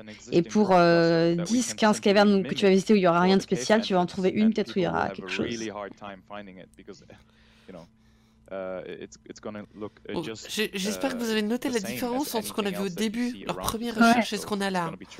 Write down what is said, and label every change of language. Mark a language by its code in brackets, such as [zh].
[fr] Et pour 10-15 cavernes que tu vas visiter où il n'y aura rien de spécial, tu vas en trouver une peut-être où il y aura quelque chose. [en] Really hard time finding it because, you know, it's gonna look just, [fr] j'espère que vous avez noté la différence entre ce qu'on a vu au début, leur première recherche, ouais, et ce qu'on a là.